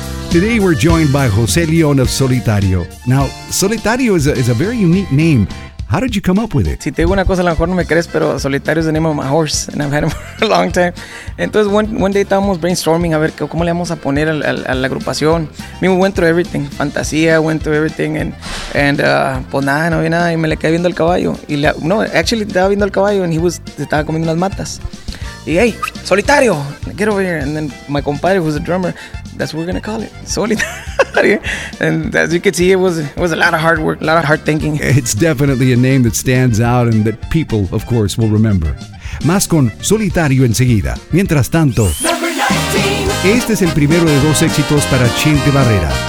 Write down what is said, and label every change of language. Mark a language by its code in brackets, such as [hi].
[en] Today we're joined by Jose Leon of Solitario. Now, Solitario is a very unique name. How did you come up with it? [es] Si te digo una cosa, a lo mejor no me crees, pero [en] Solitario is the name of my horse, and I've had him for a long time. [es] Entonces, [en] one day [es] estábamos brainstorming a ver cómo le vamos a poner a la agrupación. [en] I mean, we went through everything, fantasía, went through everything, and [es] pues nada, no había nada, y me le quedé viendo el caballo. Y le, no, actually, estaba viendo el caballo, and estaba comiendo unas matas. [en] Y, hey, Solitario, get over here. And then my compadre, who's a drummer, that's what we're going to call it, Solitario. And as you can see, it was a lot of hard work, a lot of hard thinking. It's definitely a name that stands out and that people, of course, will remember. [es] Más con Solitario enseguida. Mientras tanto, [en] number 19. [es] Este es el primero de dos éxitos para Chente Barrera.